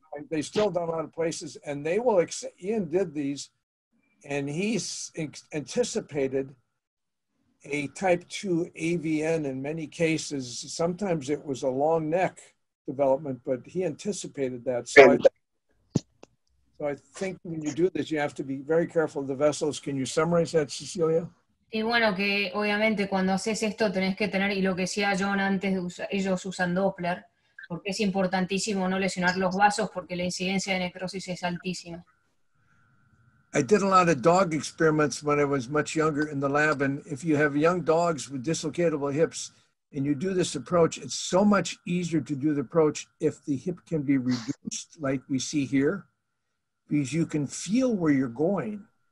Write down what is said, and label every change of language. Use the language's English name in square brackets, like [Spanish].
[English] They still done a lot of places, and they will accept, Ian did these, and he's anticipated a type 2 AVN in many cases. Sometimes it was a long neck development, but he anticipated that. So I think when you do this, you have to be very careful of the vessels. Can you summarize that, Cecilia? [Spanish] Y bueno, que obviamente cuando haces esto tenés que tener, y lo que decía John antes, de ellos usan Doppler, porque es importantísimo no lesionar los vasos porque la incidencia de necrosis es altísima. [English] I did a lot of dog experiments when I was much younger in the lab, and if you have young dogs with dislocatable hips and you do this approach, it's so much easier to do the approach if the hip can be reduced like we see here, because you can feel where you're going.